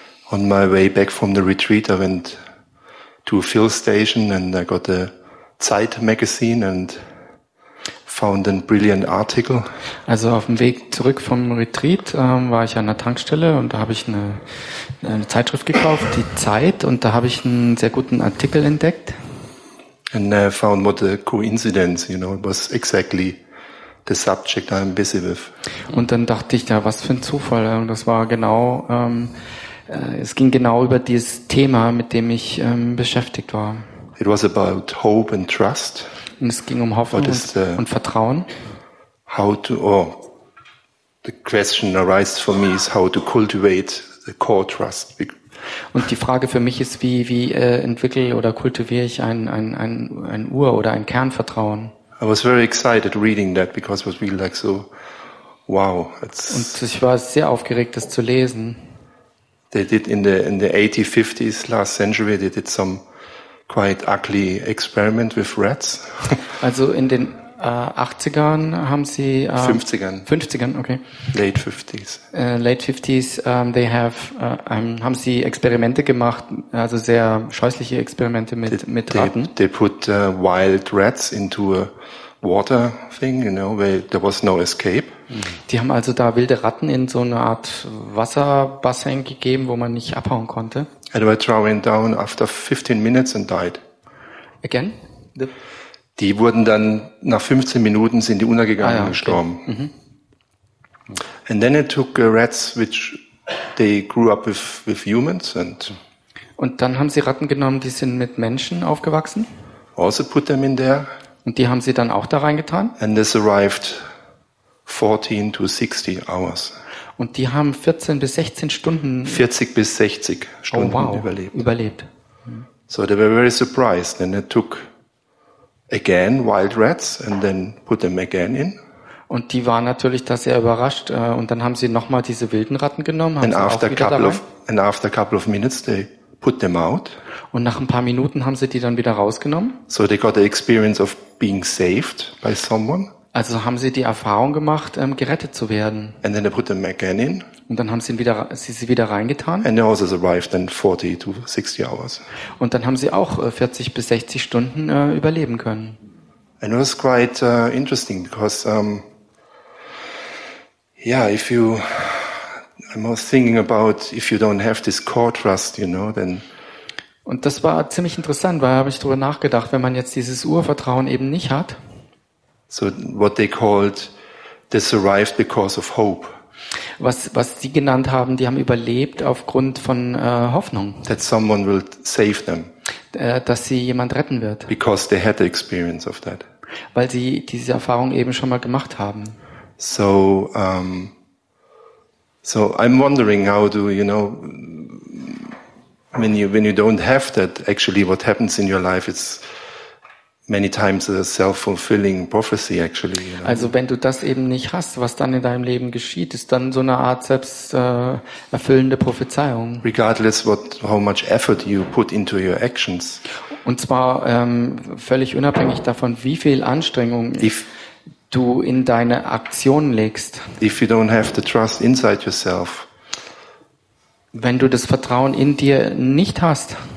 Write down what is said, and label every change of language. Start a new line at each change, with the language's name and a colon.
English: On my way back from the retreat, I went to a fill station and I got a Zeit magazine and found a brilliant article.
German: Also auf dem Weg zurück vom Retreat war ich an der Tankstelle und da habe ich eine Zeitschrift gekauft, die Zeit, und da habe ich einen sehr guten Artikel entdeckt.
English: And I found what a coincidence, you know, it was exactly the subject I'm busy with.
German: Und dann dachte ich, ja, was für ein Zufall, das war genau... Es ging genau über dieses Thema, mit dem ich beschäftigt war.
English: It was about hope and trust.
German: Und es ging um Hoffnung und Vertrauen.
English: The question arises for me is how to cultivate the core trust.
German: Und die Frage für mich ist, wie entwickle oder kultiviere ich ein Ur- oder ein Kernvertrauen?
English: I was very excited reading that because it was really like so, wow. It's
German: und ich war sehr aufgeregt, das zu lesen.
English: They did in the 1850s last century. They did some quite ugly experiment with rats.
German: Also in den 80ern haben sie 50ern, okay.
English: Late 50s. They have
German: haben sie Experimente gemacht, also sehr scheußliche Experimente mit Ratten.
English: They put wild rats into a water thing, you know, where there was no escape.
German: Die haben also da wilde Ratten in so eine Art Wasserbassin gegeben, wo man nicht abhauen konnte.
English: And they were drowning down after 15 minutes and died. Again?
German: Die wurden dann nach 15 Minuten sind die untergegangen und gestorben. Okay. Mm-hmm.
English: And then it took rats which they grew up with humans and.
German: Und dann haben sie Ratten genommen, die sind mit Menschen aufgewachsen.
English: Also put them in there.
German: Und die haben sie dann auch da reingetan.
English: And this arrived 14 to 60 hours.
German: Und die haben 14 bis 16 Stunden 40 bis 60 Stunden überlebt.
English: So they were very surprised and they took again wild rats and then put them again in.
German: Und die waren natürlich da sehr überrascht und dann haben sie nochmal diese wilden Ratten genommen,
English: After a couple of minutes they put them out.
German: Und nach ein paar Minuten haben sie die dann wieder rausgenommen.
English: So they got the experience of being saved by someone.
German: Also haben sie die Erfahrung gemacht, gerettet zu werden.
English: And then they put them again in.
German: Und dann haben sie wieder reingetan.
English: And they also survived in 40 to 60 hours.
German: Und dann haben sie auch 40 bis 60 Stunden überleben können.
English: And it was quite interesting because I'm also thinking about if you don't have this core trust, you know, then.
German: Und das war ziemlich interessant, weil habe ich drüber nachgedacht, wenn man jetzt dieses Urvertrauen eben nicht hat.
English: So what they called they survived because of hope.
German: Was sie genannt haben, die haben überlebt aufgrund von Hoffnung.
English: That someone will save them.
German: Dass sie jemand retten wird.
English: Because they had the experience of that.
German: Weil sie diese Erfahrung eben schon mal gemacht haben.
English: So I'm wondering how do you know when you don't have that, actually what happens in your life is many times a self-fulfilling prophecy, actually. You know?
German: Also wenn du das eben nicht hast, was dann in deinem Leben geschieht, ist dann so eine Art selbsterfüllende Prophezeiung.
English: Regardless what, how much effort you put into your actions.
German: Und zwar völlig unabhängig davon, wie viel Anstrengung du in deine Aktionen legst.
English: If you don't have the trust inside yourself.
German: Wenn du das Vertrauen in dir nicht hast,